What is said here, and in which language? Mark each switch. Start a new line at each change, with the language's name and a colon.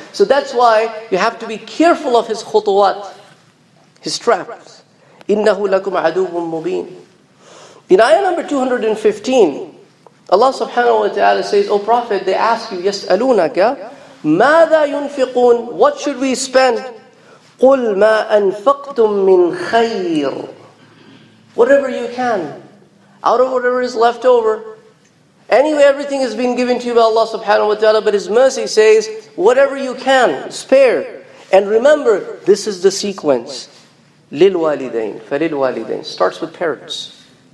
English: So that's why you have to be careful of his khutuwat, his traps.
Arabic: إِنَّهُ لَكُمْ عَدُوٌ مُّبِينٌ
English: In ayah number 215, Allah subhanahu wa ta'ala says, O Prophet, they ask you,
Arabic: يَسْأَلُونَكَ مَاذَا يُنْفِقُونَ
English: What should we spend?
Arabic: قُلْ مَا أَنْفَقْتُمْ مِنْ خَيْرٍ
English: Whatever you can. Out of whatever is left over. Anyway, everything has been given to you by Allah subhanahu wa ta'ala, but His mercy says, whatever you can, spare. And remember, this is the sequence.
Arabic: لِلْوَالِدَيْن فَلِلْوَالِدَيْن
English: Starts with parents.